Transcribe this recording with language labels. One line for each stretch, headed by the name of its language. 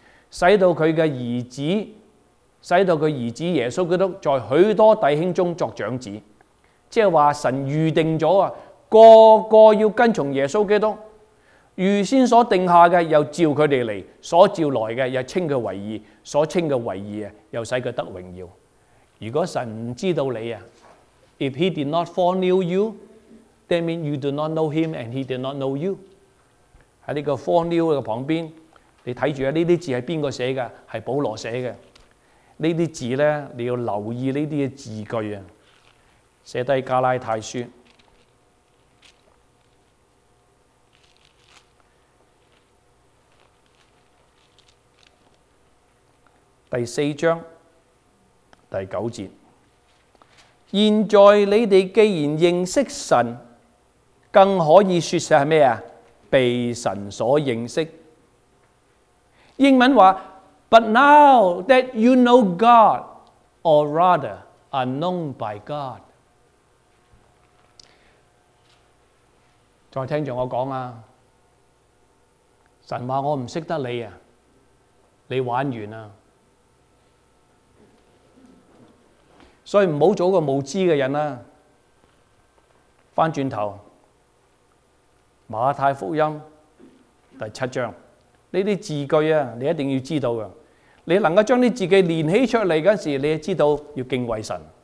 Chinese: 使到他的儿子耶稣基督在许多弟兄中作长子，即是说神预定了个个要跟从耶稣基督，预先所定下的又召他们来，所召来的又称他为义，所称他为义又使他得荣耀。如果神不知道你，
English: If he did not foreknow you,That means you do not know him and he did not know you.
Chinese: 在这个 Fornil 的旁边，你看着这些字是谁写的？是保罗写的。这些字呢，你要留意这些字句，写下加拉太书。第四章第九节，现在你们既然认识神，更可以说是什么？被神所认识。英文说
English: But now that you know God, or rather are known by God。
Chinese: 再听着我说，神说我不认识你，你玩完了。所以不要做一个无知的人，回头马太福音第七章，这些字句你一定要知道，你能够将自己连起出来的时候，你就知道要敬畏神。